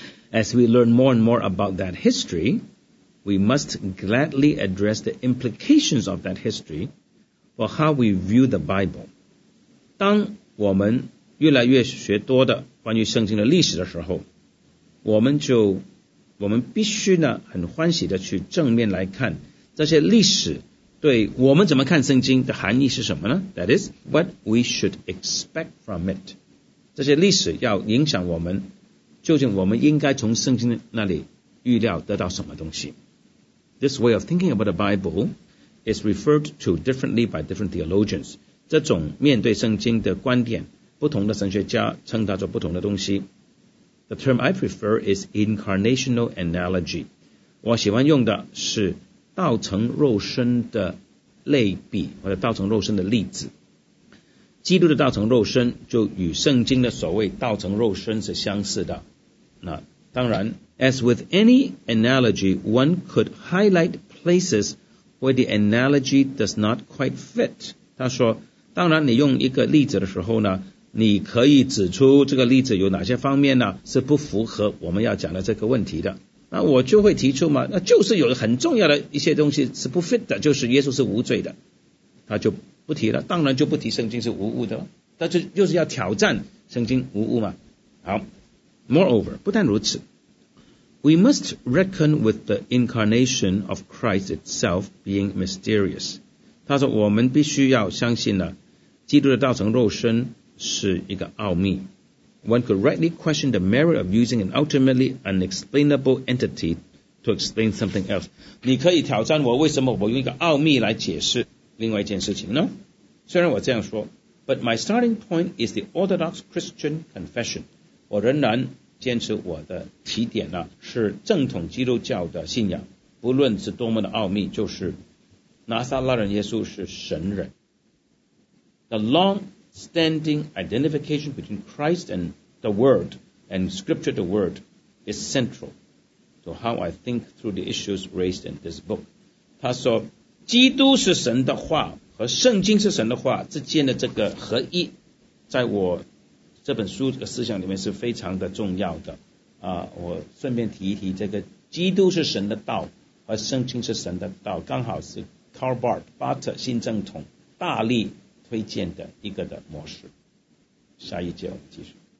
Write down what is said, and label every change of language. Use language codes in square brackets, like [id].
[en] As we learn more and more about that history, we must gladly address the implications of that history for how we view the Bible. [zh] 当我们越来越学多的关于圣经的历史的时候，我们必须呢很欢喜的去正面来看这些历史对我们怎么看圣经的含义是什么呢？ [en] That is, what we should expect from it. [zh] 这些历史要影响我们究竟我们应该从圣经那里预料得到什么东西。 [en] This way of thinking about the Bible is referred to differently by different theologians. [zh] 这种面对圣经的观点，不同的神学家称它做不同的东西。 [en] The term I prefer is incarnational analogy. [zh] 我喜欢用的是道成肉身的类比，或者道成肉身的例子。基督的道成肉身就与圣经的所谓道成肉身是相似的。那当然 [en] As with any analogy, one could highlight places where the analogy does not quite fit. [zh] 他说当然你用一个例子的时候呢，你可以指出这个例子有哪些方面呢是不符合我们要讲的这个问题的。那我就会提出嘛，那就是有很重要的一些东西是不 fit 的，就是耶稣是无罪的，他就不提了，当然就不提圣经是无误的了，但是就是要挑战圣经无误嘛。 [en] 好， Moreover， [zh] 不但如此， [en] We must reckon with the incarnation of Christ itself being mysterious。 [zh] 他说我们必须要相信呢，基督的道成肉身是一个奥秘。 [en] One could rightly question the merit of using an ultimately unexplainable entity to explain something else. [zh] 你可以挑战我，为什么我用一个奥秘来解释另外一件事情呢？虽然我这样说， [en] but my starting point is the Orthodox Christian confession. [zh] 我仍然坚持我的起点呢，是正统基督教的信仰，不论是多么的奥秘，就是拿撒勒人耶稣是神人。 [en] The long standing identification between Christ and the Word and Scripture the Word is central to how I think through the issues raised in this book. [zh] 他说基督是神的话和圣经是神的话之间的这个合一，在我这本书的思想里面是非常的重要的啊。我顺便提一提，这个基督是神的道和圣经是神的道，刚好是 Karl Barth 巴特新正统大力推荐的一个的模式。下一节我们继续。